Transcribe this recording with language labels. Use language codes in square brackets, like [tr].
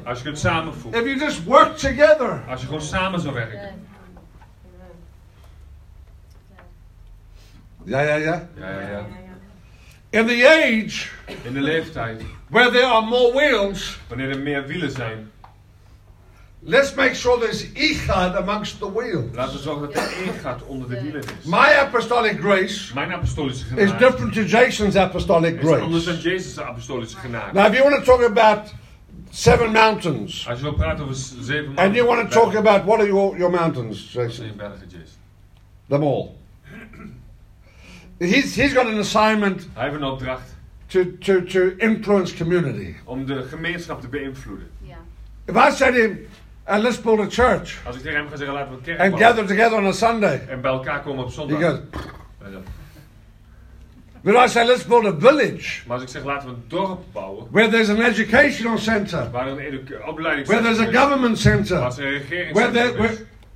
[nl] Als je kunt samenvoegen. [en] If you just work together. [nl] Als je gewoon samen zou werken. [en] Ja. In the age. [nl] In de leeftijd. [en] Where there are more wheels. [nl] Wanneer er meer wielen zijn. [en] Let's make sure there's ichad amongst the wheels. [nl] Laten we zorgen dat er ichad onder de wielen is. [en] My apostolic grace. [nl] Mijn apostolische genade. [en] Is different to Jason's apostolic grace. [nl] Is anders dan Jason's apostolische genade. [en] Now if you want to talk about seven mountains. [nl] Als je wilt praten over zeven mountains. [en] And you want to talk about what are your mountains, Jason? [nl] Zeven bergen, Jason. [en] Them all. He's got an assignment. [nl] Hij heeft een opdracht. [en] To influence community. [nl] Om de gemeenschap te beïnvloeden. [en] If I said to him, and let's build a church. [nl] Als ik tegen hem ga zeggen, laten we een kerk [en] and [nl] bouwen. [en] Gather together on a Sunday. [nl] En bij elkaar komen op zondag. [en] He goes. But I say, let's build a village. [nl] Maar als ik zeg, laten we een dorp bouwen. [en] Where there's an educational center. [nl] Waar een opleidingscentrum. [en] Where there's a government center. [nl] Waar een regeringscentrum.